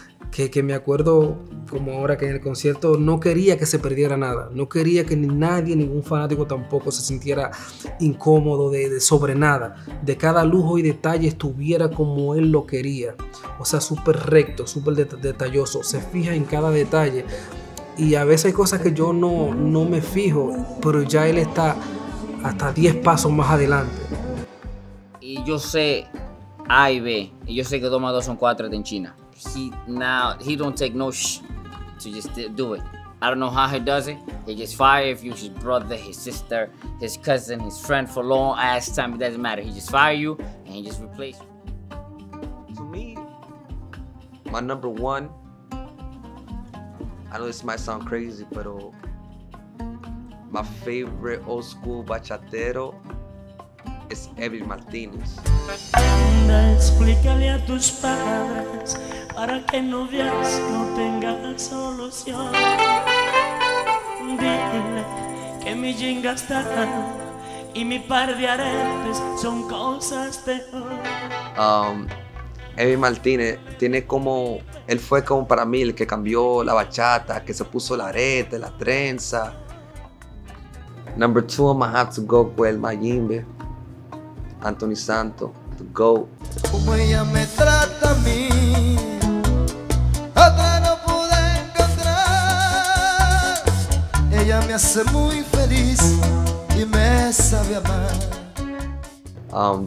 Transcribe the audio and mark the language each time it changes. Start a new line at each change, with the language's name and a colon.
Spanish: que me acuerdo como ahora que en el concierto no quería que se perdiera nada, no quería que ni nadie, ningún fanático tampoco se sintiera incómodo de sobre nada, de cada lujo y detalle estuviera como él lo quería, o sea, súper recto, súper detalloso, se fija en cada detalle y a veces hay cosas que yo no me fijo, pero ya él está hasta 10 pasos más adelante. Y yo sé A y B, y yo sé que 2 más 2 son 4 en China.
English: He don't take no sh to just do it. I don't know how he does it. He just fire if you his brother, his sister, his cousin, his friend for long ass time. It doesn't matter. He just fire you and he just replace you. To me, my number one. I know this might sound crazy, but my favorite old school bachatero is Eddie Martinez.
Spanish: Explícale a tus padres para que no veas, no tengas solución. Dile que mi jinga está y mi par de aretes son cosas de hoy. Eddie Martinez tiene como, él fue como para mí el que cambió la bachata, que se puso la arete, la trenza.
English: Number two, I'm gonna have to go with el Mayimbe, Anthony Santo. Go.
Spanish: Como ella me trata a mí, otra no pude encontrar. Ella me hace muy feliz y me sabe amar.